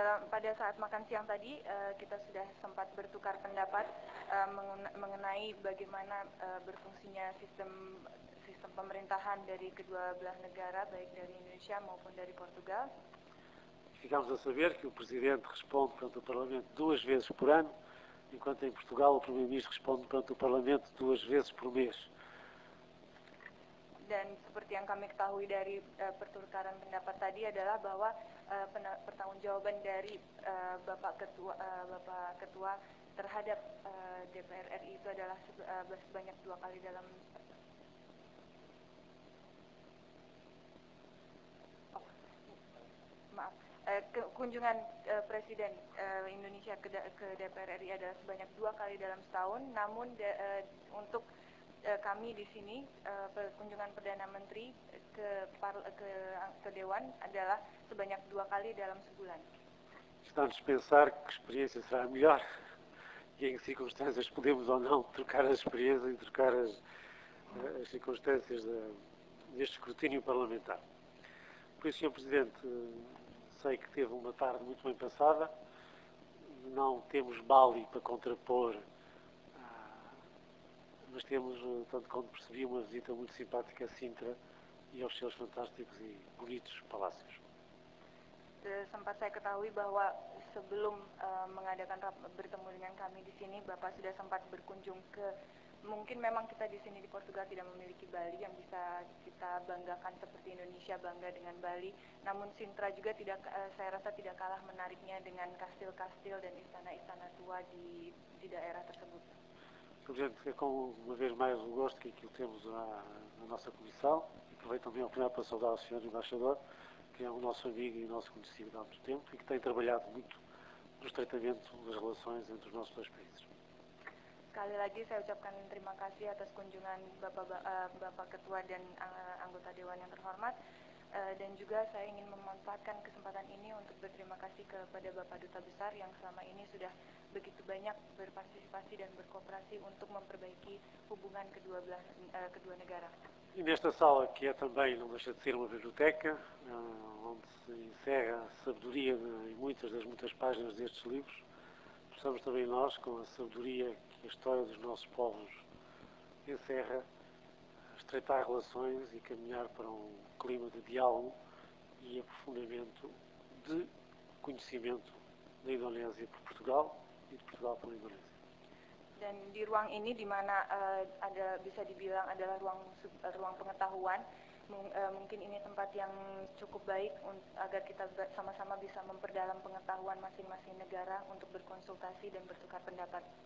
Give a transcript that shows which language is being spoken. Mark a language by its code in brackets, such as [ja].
[id] Pada saat makan siang tadi, kita sudah sempat bertukar pendapat mengenai bagaimana berfungsinya sistem sistem pemerintahan dari kedua belah negara, baik dari Indonesia maupun dari Portugal. [pt] Ficámos a saber que o Presidente responde perante o Parlamento 2 vezes por ano. Enquanto em Portugal o Primeiro-Ministro responde perante o Parlamento 2 vezes por mês. [id] dan seperti yang kami ketahui dari pertukaran pendapat tadi adalah bahwa pertanggungjawaban dari Bapak Ketua terhadap DPR RI itu adalah sebanyak dua kali dalam. Maaf, kunjungan Presiden Indonesia ke DPR RI adalah sebanyak dua kali dalam setahun. Namun untuk kami di sini, kunjungan Perdana Menteri ke Dewan adalah sebanyak dua kali dalam sebulan. [pt] Estamos a pensar que experiência será melhor e em que circunstâncias podemos ou não trocar as experiências e trocar as circunstâncias deste escrutínio parlamentar. Por isso, Sr. Presidente, sei que teve uma tarde muito bem passada. Não temos Bali para contrapor, mas temos, tanto quanto percebi, uma visita muito simpática a Sintra e aos seus fantásticos e bonitos palácios. [id] Sempat saya ketahui bahwa sebelum mengadakan bertemu dengan kami di sini, Bapak sudah sempat berkunjung ke, mungkin memang kita di sini di Portugal tidak memiliki Bali yang bisa kita banggakan seperti Indonesia bangga dengan Bali, namun Sintra juga tidak, saya rasa tidak kalah menariknya dengan kastil-kastil dan istana-istana tua di daerah tersebut. [pt] Presidente, é com uma vez mais um gosto que aqui o temos na nossa comissão. Aproveito também a oportunidade para saudar o Sr. Embaixador, que é o nosso amigo e o nosso conhecido há muito tempo e que tem trabalhado muito no estreitamento das relações entre os nossos dois países. [id] Sekali lagi saya ucapkan terima kasih atas kunjungan Bapak Ketua dan anggota Dewan yang terhormat. Dan juga saya ingin memanfaatkan kesempatan ini untuk berterima kasih kepada Bapak Duta Besar yang selama ini sudah begitu banyak berpartisipasi dan berkooperasi untuk memperbaiki hubungan kedua negara. [pt] E nesta sala, que é também, não deixa de ser, uma biblioteca, onde se encerra a sabedoria em muitas das muitas páginas destes livros, possamos também nós, com a sabedoria que a história dos nossos povos encerra, estreitar relações e caminhar para um clima de diálogo e aprofundamento de conhecimento da Indonésia por Portugal e de Portugal pela Indonésia. [id] Dan di ruang ini di mana ada bisa dibilang adalah ruang pengetahuan, mungkin ini tempat yang cukup baik agar kita sama-sama bisa memperdalam pengetahuan masing-masing negara untuk berkonsultasi dan bertukar pendapat.